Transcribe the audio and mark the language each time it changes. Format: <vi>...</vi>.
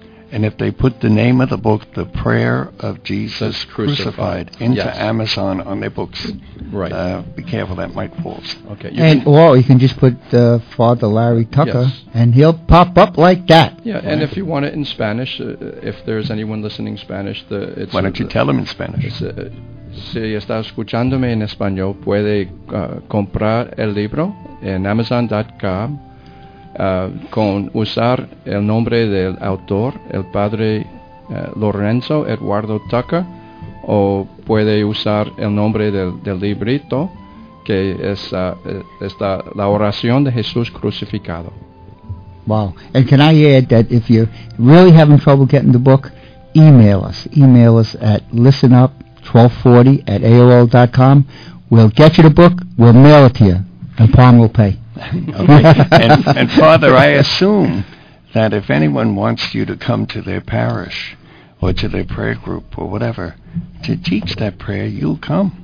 <en>And if they put the name of the book, The Prayer of Jesus Crucified, into yes. Amazon on their books, right. Be careful, that might fall. Okay. You can just put Father Larry Tucker, yes. and he'll pop up like that. Yeah, right. And if you want it in Spanish, if there's anyone listening Spanish, why don't you tell him in Spanish?</en> <es>Si está escuchándome en español, puede comprar el libro en Amazon.com. Con usar el nombre del autor, el padre Lorenzo Eduardo Tucker, o puede usar el nombre del librito, que es esta, la oración de Jesús crucificado.</es> <en>Wow. And can I add that if you're really having trouble getting the book, email us. Email us at listenup1240@aol.com. We'll get you the book, we'll mail it to you, and Palm will pay. Okay. And Father, I assume that if anyone wants you to come to their parish or to their prayer group or whatever to teach that prayer, you'll come.</en>